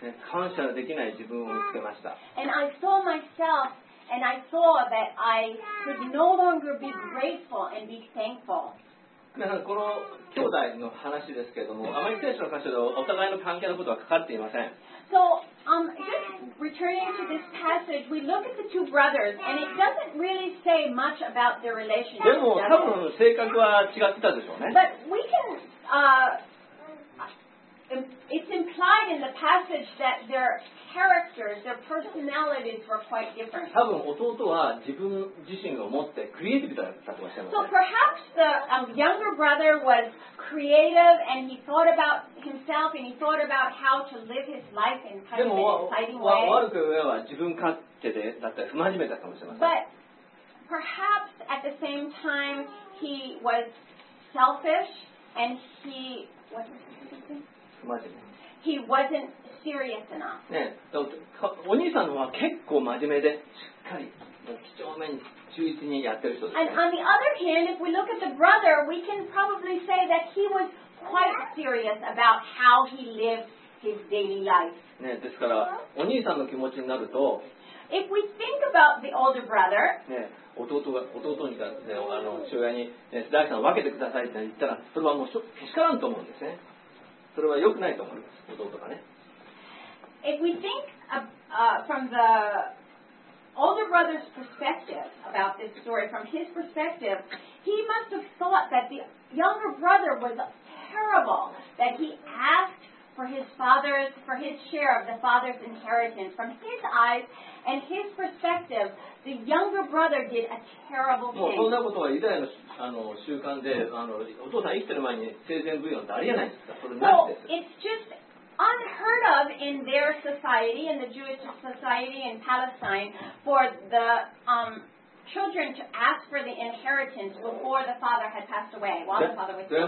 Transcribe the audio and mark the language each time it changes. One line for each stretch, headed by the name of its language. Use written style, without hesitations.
Japanese: 感謝できない自分を見つけました。
English: And I saw myself. And I saw that I could no longer be grateful and be thankful.
Japanese: この兄弟の話ですけれども、あまり聖書の箇所でお互いの関係のことは書かれていません。
English: So, just returning to this passage, we look at the two brothers, and it doesn't really say much about their relationship.
Japanese: でも多分性格は違ってたでしょうね。
English: But we can, it's implied in the passage that they're. Characters, their personalities were quite different.
Japanese: 多分弟は自分自身を持ってクリエイティブだったとおっしゃいました。
English: So perhaps the younger brother was creative and he thought about himself and he thought about how to live his life in kind of an exciting way.
Japanese: でも悪く言えば自分勝手でだったり不真面目だったかもしれません。
English: But perhaps at the same time he was selfish and he wasn't, he wasn't serious enough.
Japanese: ね、お兄さんは結構真面目でしっかり几帳面忠実にやってる人です。
English: And on the other hand, if we look at the brother, we can probably say that he was quite serious about how he lived his daily life.
Japanese: ね、ですからお兄さんの気持ちになると。
English: If we think about the older brother,
Japanese: 弟に対して父親に、ね、財産を分けてくださいって言ったら、それはもうけしからんと思うんですね。それは良くないと思います、弟がね。
English: If we think from the older brother's perspective about this story, from his perspective, he must have thought that the younger brother was terrible, that he asked. For his father's, for his share of the father's inheritance. From his eyes and his perspective, the younger brother did a terrible thing.
Japanese: もうそんなことはユダヤの、習慣で、お父さん生きてる前に生前贈与ってありえないんですか？それなんです。
English: Well, it's just unheard of in their society, in the Jewish society in Palestine, for the, children to ask for the inheritance before the father had passed away, while the father was